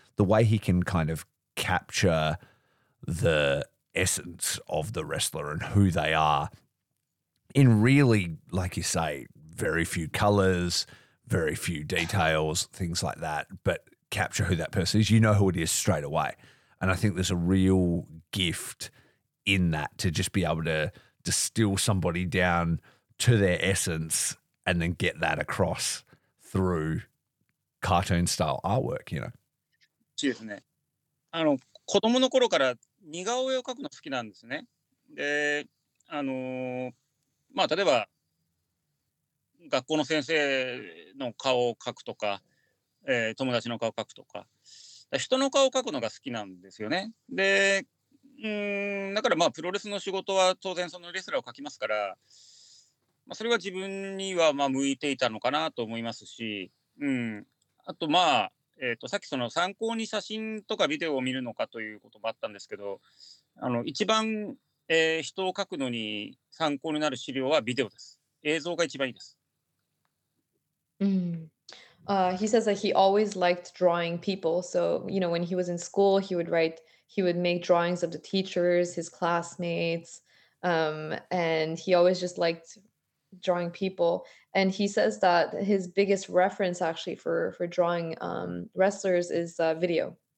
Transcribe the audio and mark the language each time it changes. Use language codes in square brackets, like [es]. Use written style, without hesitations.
[en] The way he can kind of capture the essence of the wrestler and who they are in really, like you say, very few colors, very few details, things like that, but capture who that person is, you know who it is straight away. And I think there's a real gift in that, to just be able to distill somebody down to their essence and then get that across through cartoon style artwork, you know. [ja] そうですね。子供の頃から似顔絵を描くの好きなんですね。で、まあ例えば学校の先生の顔を描くとか、友達の顔を描くとか、人の顔を描くのが好きなんですよね。で、だからまあプロレスの仕事は当然そのレスラーを描きますから、まあ、それは自分にはまあ向いていたのかなと思いますし、あとまあ、さっきその参考に写真とかビデオを見るのかということもあったんですけど、一番、人を描くのに参考になる資料はビデオです。映像が一番いいです。 [en] He says that he always liked drawing people. So, you know, when he was in school, he would make drawings of the teachers, his classmates, and he always just liked drawing people. And he says that his biggest reference actually for drawing wrestlers is video.